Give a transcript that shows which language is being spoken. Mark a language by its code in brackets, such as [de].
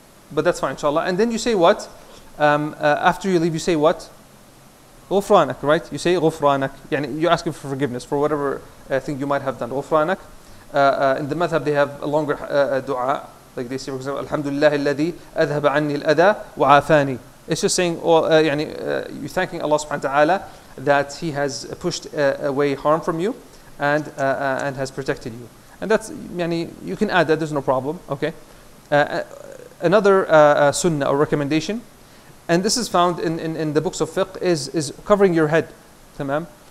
[en] But that's fine, inshallah. And then you say what? After you leave, you say what? [ar] غفرانك, [en] right? You say غفرانك. [ar] يعني [en] you ask him for forgiveness for whatever thing you might have done. [ar] غفرانك. [en] In the madhab, they have a longer dua. Like they say, for example, [ar] الحمد لله الذي أذهب عني الأذى وعافاني. [en] It's just saying, you're thanking Allah subhanahu wa ta'ala that He has pushed away harm from you and has protected you. And that's, you can add that, there's no problem, okay? Another sunnah or recommendation, and this is found in the books of fiqh, is covering your head, tamam?